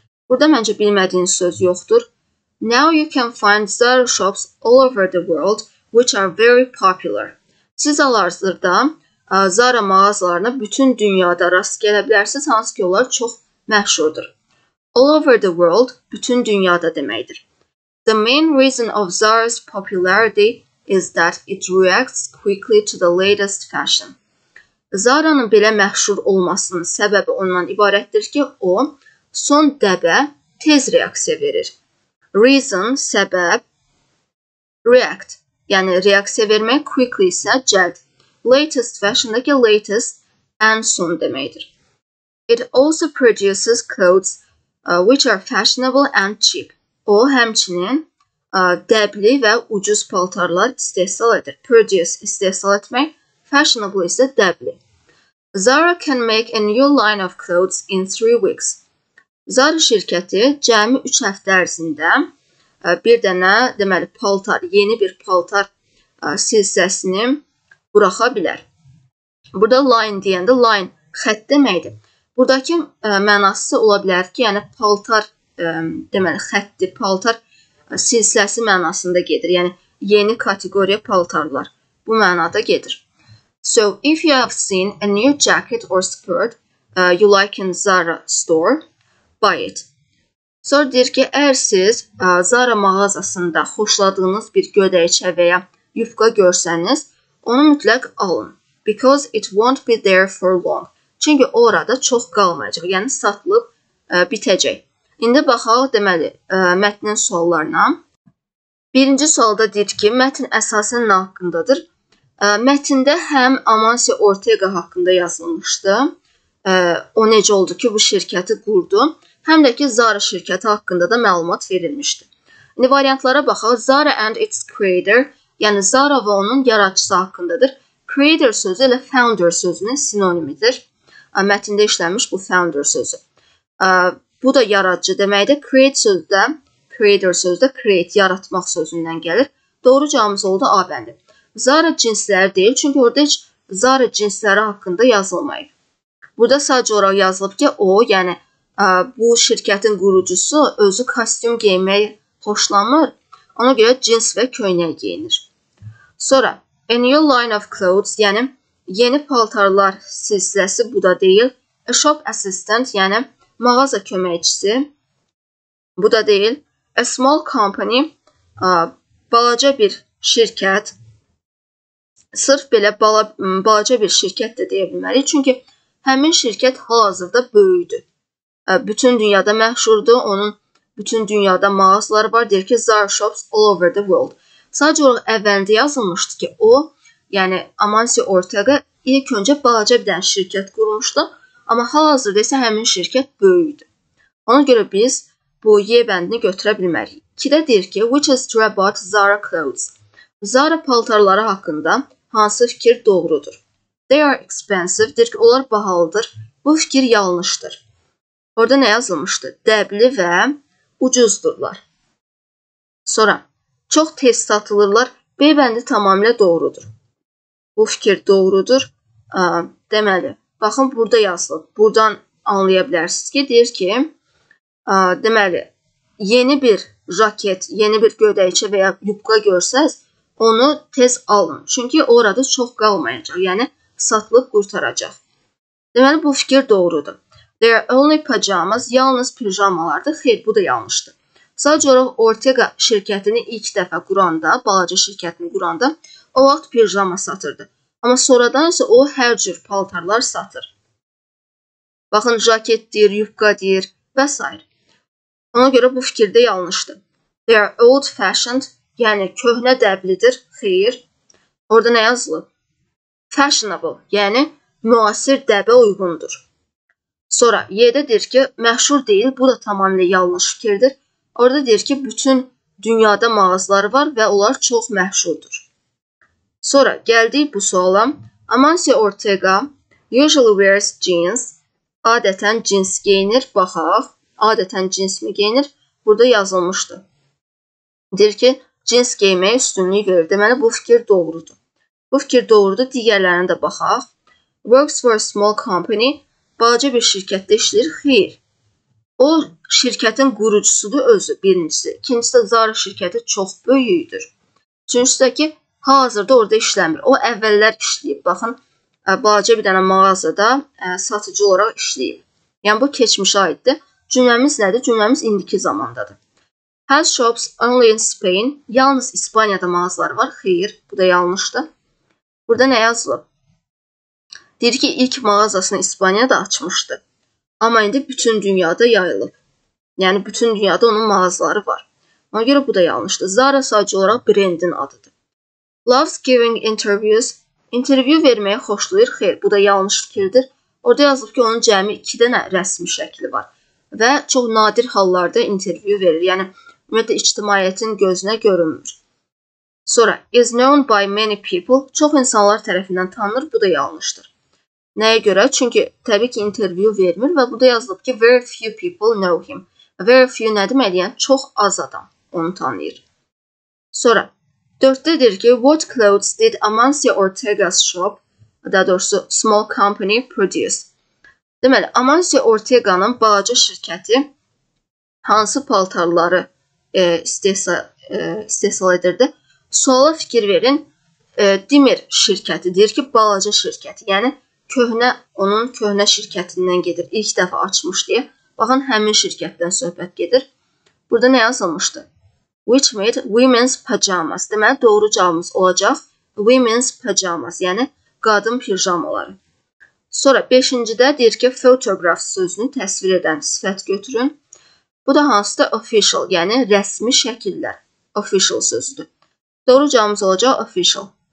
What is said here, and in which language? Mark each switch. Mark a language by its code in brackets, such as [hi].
[az] Burada məncə bilmədiyiniz söz yoxdur. [en] Now you can find Zara shops all over the world, which are very popular. [az] Siz hal-hazırda Zara mağazalarına bütün dünyada rast gələ bilərsiniz, hansı ki onlar çox məşhurdur. [en] All over the world, [az] bütün dünyada deməkdir. [en] The main reason of Zara's popularity is that it reacts quickly to the latest fashion. [az] Zara'nın belə məşhur olmasının səbəbi ondan ibarətdir ki, o son dəbə tez reaksiya verir. Reason, səbəb, react, yəni reaksiya vermək, quickly isə cəld. Latest fashion-dakı latest ən son deməkdir. [en] It also produces clothes which are fashionable and cheap. [az] O, həmçinin dəbli və ucuz paltarlar istehsal edir. Produce istehsal etmək, fashionable isə dəbli. [en] Zara can make a new line of clothes in 3 weeks. [az] Zara şirkəti cəmi 3 həftə ərzində bir dənə, deməli, paltar, yeni bir paltar silsiləsini buraxa bilər. Burada line deyəndə line xətt deməkdir. Buradakı mənası ola bilər ki, yəni paltar, deməli, xətti, paltar silsiləsi mənasında gedir. Yəni yeni kateqoriya paltarlar bu mənada gedir. [en] So, if you have seen a new jacket or skirt you like in Zara store, buy it. [az] Sonra deyir ki, əgər siz Zara mağazasında xoşladığınız bir gödəkçə və ya yufqa görsəniz, onu mütləq alın. [en] Because it won't be there for long. [az] Çünki orada çox qalmayacaq, yəni satılıb bitəcək. İndi baxaq, deməli, mətnin suallarına. Birinci sualda deyir ki, mətn əsasən nə haqqındadır? Mətində həm Amancio Ortega haqqında yazılmışdı, o necə oldu ki, bu şirkəti qurdu, həm də ki, Zara şirkəti haqqında da məlumat verilmişdi. İndi variantlara baxaq, [en] Zara and its creator, [az] yəni Zara və onun yaradçısı haqqındadır. Creator sözü ilə founder sözünün sinonimidir. Mətində işlənmiş bu founder sözü. Bu da yaradcı deməkdir. Create sözü də, creator sözü də create, yaratmaq sözündən gəlir. Doğru cavabımız oldu A bəndi. Zara cinsləri deyil, çünki orada heç Zara cinsləri haqqında yazılmayıb. Burada sadəcə olaraq yazılıb ki, o, yəni bu şirkətin qurucusu özü kostyum geyinməyi xoşlamır, ona görə cins və köynək geyinir. Sonra, [en] a new line of clothes, [az] yəni yeni paltarlar silsiləsi bu da deyil, [en] a shop assistant, [az] yəni mağaza köməkçisi bu da deyil, [en] a small company, [az] balaca bir şirkət, sırf belə balaca bir şirkət də deyə bilməliyik. Çünki həmin şirkət hal-hazırda böyüdür. Bütün dünyada məşhurdur. Onun bütün dünyada mağazaları var. Deyir ki, [en] Zara shops all over the world. [az] Sadəcə olaraq əvvəldə yazılmışdı ki, o, yəni Amancio Ortega ilk öncə balaca bir dənə şirkət qurmuşdu. Amma hal-hazırda isə həmin şirkət böyüdür. Ona görə biz bu Y bəndini götürə bilməliyik. İki də deyir ki, [en] which is true about Zara clothes? [az] Zara paltarları haqqında hansı fikir doğrudur? [en] They are expensive, [az] deyir ki, onlar bahalıdır. Bu fikir yanlışdır. Orada nə yazılmışdı? Dəbli və ucuzdurlar. Sonra, çox tez satılırlar. B bəndi tamamilə doğrudur. Bu fikir doğrudur. Deməli, baxın, burada yazılıb. Buradan anlaya bilərsiniz ki, deyir ki, deməli, yeni bir jaket, yeni bir gödəkçə və ya yubqa görsəz, onu tez alın. Çünki orada çox qalmayacaq. Yəni, satılıb qurtaracaq. Deməli, bu fikir doğrudur. [en] They are only pajamas, [az] yalnız pijamalardır. Xeyr, bu da yanlışdır. Sadəcə olaraq, Ortega şirkətini ilk dəfə quranda, balaca şirkətini quranda, o vaxt pijama satırdı. Amma sonradan isə o hər cür paltarlar satır. Baxın, jaket deyir, yufqa deyir və s. Ona görə bu fikir də yanlışdır. [en] They are old fashioned, [az] yəni, köhnə dəblidir, xeyir. Orada nə yazılıb? Fashionable, yəni, müasir dəbə uyğundur. Sonra, yedə deyir ki, məşhur deyil, bu da tamamilə yanlış fikirdir. Orada deyir ki, bütün dünyada mağazları var və onlar çox məşhurdur. Sonra, gəldik bu suala. [en] Amancio Ortega usually wears jeans. [az] Adətən cins geyinir, baxaq. Adətən cins mi geyinir? Burada yazılmışdı. Deyir ki, cins geyməyə üstünlüyü verir. Deməli, bu fikir doğrudur. Bu fikir doğrudur. Digərlərini də baxaq. [en] Works for a small company. [az] Balaca bir şirkətdə işləyir. Xeyr. O şirkətin qurucusudur özü, birincisi. İkincisi də Zara şirkəti çox böyüyüdür. Üçüncüsü də ki, hazırda orada işləmir. O əvvəllər işləyib. Baxın, balaca bir dənə mağazada satıcı olaraq işləyib. Yəni, bu keçmişə aiddir. Cümləmiz nədir? Cümləmiz indiki zamandadır. [en] Health shops only in Spain. [az] Yalnız İspanya'da mağazalar var. Hayır, bu da yanlıştı. Burada ne yazılı? Dedi ki ilk mağazasını İspanya'da açmıştı. Ama indi bütün dünyada yayılıb. Yani bütün dünyada onun mağazaları var. Ona göre bu da yanlışdır. Zara sadece olarak brandin adıdır. [en] Loves giving interviews. [az] İnterviyu vermeye xoşlayır. Xeyr, bu da yanlış fikirdir. Orada yazılıb ki onun cəmi 2 dənə rəsmi şəkli var. Və çox nadir hallarda interviyu verir. Yəni, ümumiyyətlə, ictimaiyyətin gözünə görünmür. [en] Sonra, is known by many people. [az] Çox insanlar tərəfindən tanınır. Bu da yanlışdır. Nəyə görə? Çünki təbii ki, interviyu vermir. Və burada yazılıb ki, [en] very few people know him. Very few [az] nə deməli? Yəni, çox az adam onu tanıyır. Sonra, dörddədir ki, [en] what clothes did Amancio Ortega's shop, [az] daha doğrusu [en] small company, produce? [az] Deməli, Amancio Ortega'nın balaca şirkəti hansı paltarları istehsal edirdi? Suala fikir verin, Demir şirkəti deyir ki, balaca şirkəti. Yəni, köhnə, onun köhnə şirkətindən gedir, ilk dəfə açmış deyə. Baxın, həmin şirkətdən söhbət gedir. Burada nə yazılmışdı? [en] Which made women's pajamas. [az] Deməli, doğru cavabımız olacaq. [en] Women's pajamas, [az] yəni qadın pijamaları. Sonra 5-ci-də deyir ki, photograph sözünü təsvir edən sifət götürün. Bu da hansıda official, yəni rəsmi şəkillər. Official sözüdür. Doğru cavabımız olacaq official.